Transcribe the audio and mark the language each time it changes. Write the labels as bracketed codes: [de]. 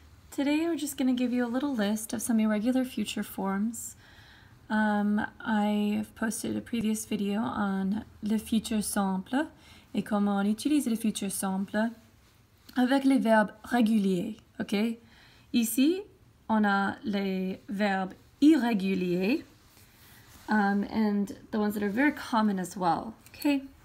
[en] Today we're just going to give you a little list of some irregular future forms. I have posted a previous video on [fr] le futur simple et comment on utilise le futur simple avec les verbes réguliers, ok? Ici, on a les verbes irréguliers [en] and the ones that are very common as well, ok?